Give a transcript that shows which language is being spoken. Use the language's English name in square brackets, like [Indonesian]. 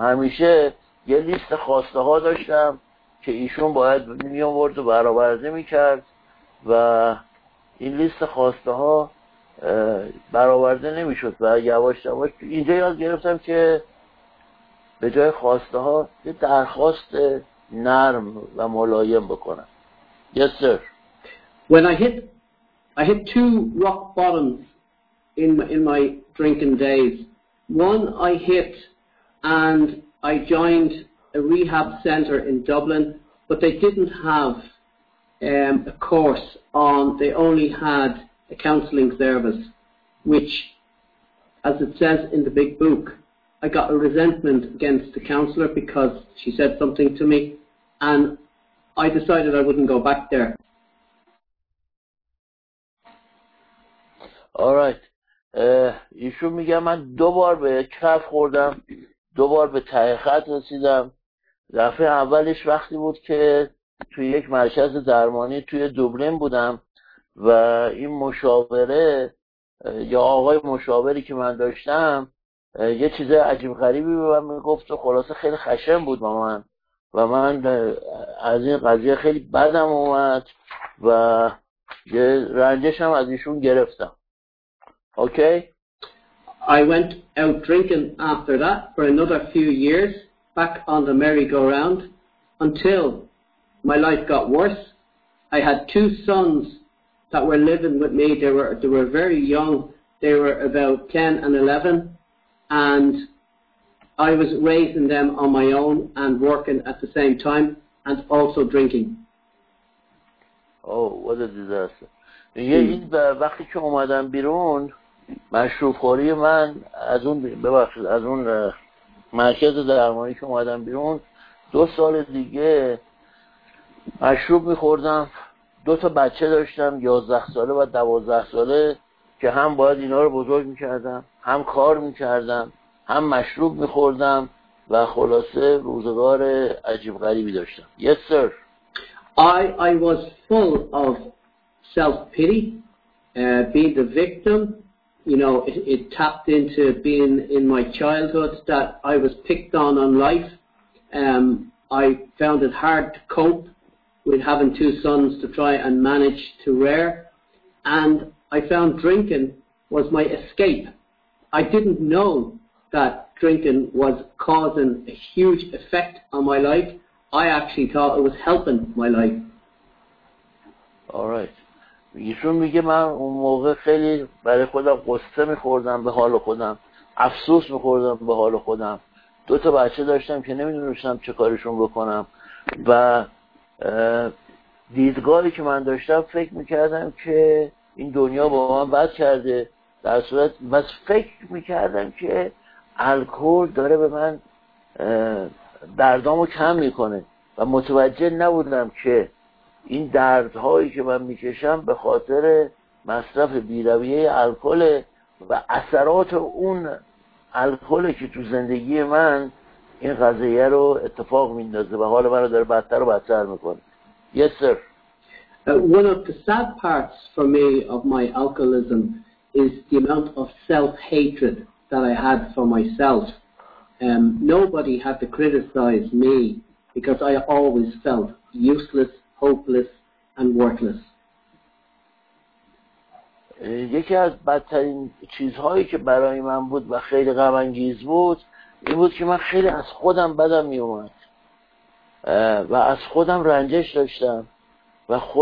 [Persian] همیشه یه لیست خواسته ها داشتم که ایشون باید میامورد و برآورده میکرد و این لیست خواسته ها برآورده نمیشد و یواش یواش اینجا یاد گرفتم که به جای خواسته ها یه درخواست نرم و ملایم بکنم. [English] Yes sir. When I hit two rock bottoms in my drinking days. One I hit and I joined a rehab center in Dublin, but they didn't have a course on, they only had a counseling service, which, as it says in the big book, I got a resentment against the counselor because she said something to me and I decided I wouldn't go back there. All right. [Persian] ایشون میگه من دو بار به کف خوردم، دو بار به ته خط رسیدم. دفعه اولش وقتی بود که توی یک مرکز درمانی توی دوبلین بودم و این مشاوره یا آقای مشاوری که من داشتم یه چیز عجیب غریبی به من میگفت و خلاصه خیلی خشن بود با من و من از این قضیه خیلی بدم اومد و یه رنجشم از ایشون گرفتم. [English] Okay. I went out drinking after that for another few years, back on the merry-go-round, until my life got worse. I had two sons that were living with me. They were very young. They were about 10 and 11. And I was raising them on my own and working at the same time and also drinking. Oh, what a disaster. [Persian] یه این وقتی که اومدم بیرون مشروب خوری من از اون ببخشید از اون مرکز درمانی که اومدم بیرون دو سال دیگه مشروب میخوردم، دو تا بچه داشتم 11 ساله و 12 ساله که هم باید اینا رو بزرگ میکردم هم کار میکردم هم مشروب میخوردم و خلاصه روزگار عجیب غریبی داشتم. [English] Yes sir. I was full of self-pity, being the victim. You know, it tapped into being in my childhood that I was picked on life. I found it hard to cope with having two sons to try and manage to rear. And I found drinking was my escape. I didn't know that drinking was causing a huge effect on my life. I actually thought it was helping my life. All right. [Persian] ایشون میگه من اون موقع خیلی برای خودم قصه میخوردم به حال خودم، افسوس میخوردم به حال خودم، دو تا بچه داشتم که نمیدونستم چه کارشون بکنم و دیدگاهی که من داشتم فکر میکردم که این دنیا با من بد کرده، در صورت من فکر میکردم که الکل داره به من دردامو کم میکنه و متوجه نبودم که این دردهایی که من میکشم به خاطر مصرف بیرویه الکل و اثرات اون الکل که تو زندگی من این قضیه رو اتفاق میندازه و حال من رو داره بدتر و بدتر میکنه. [English] Yes sir. One of the sad parts for me of my alcoholism is the amount of self-hatred that I had for myself. Nobody had to criticize me because I always felt useless, hopeless and worthless. [Persian] یکی از بدترین چیزهایی که برای من بود و خیلی غم انگیز بود این بود که من خیلی از خودم بدم می اومد و از خودم رنجش داشتم و از